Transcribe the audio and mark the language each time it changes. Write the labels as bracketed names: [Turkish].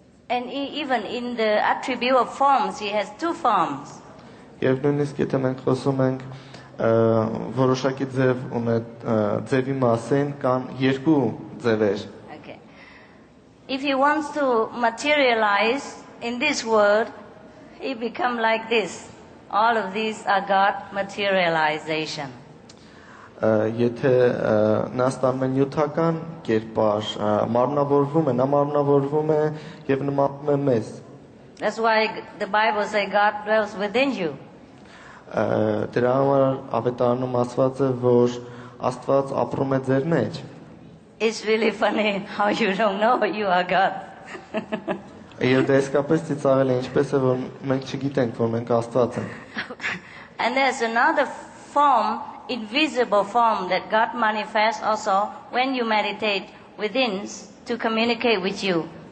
[English] And even in the attribute of forms, he has two forms. [Armenian] Եվ նույնիսկ եթե մենք խոսում ենք որոշակի ձև ունեցող ձևի մասին, կան երկու ձևեր։ [English] If he wants to materialize in this world, he become like this. All of these are God materialization. [Armenian] Եթե նա ստամենյութական կերպար մարմնավորվում է, նա մարմնավորվում է եւ նմանվում է մեզ. [English] That's why the Bible says God dwells within you. [Armenian] Դրա համար ավետարանում ասված է, որ Աստված ապրում է ձեր մեջ։ [English] It's really funny how you don't know you are God. [Armenian] Եվ դա իսկապես ծիծաղել է, ինչպես է, որ մենք չգիտենք, որ մենք Աստված ենք։ [English] And there's another form, invisible form, that God manifests also when you meditate within to communicate with you.